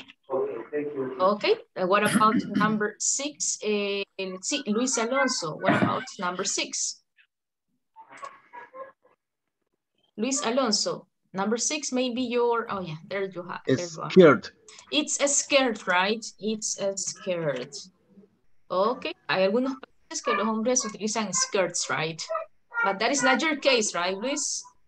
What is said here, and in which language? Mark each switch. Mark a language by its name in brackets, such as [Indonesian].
[English] Okay, thank you. Okay, what about number six? Let's see, Luis Alonso, what about number six? Luis Alonso, number six may be your, oh yeah, there you have. Scared. It's a scared, right? It's a scared. [Spanish] Okay, hay algunos países que los hombres utilizan [English] skirts, right? But that is not your case, right, Luis?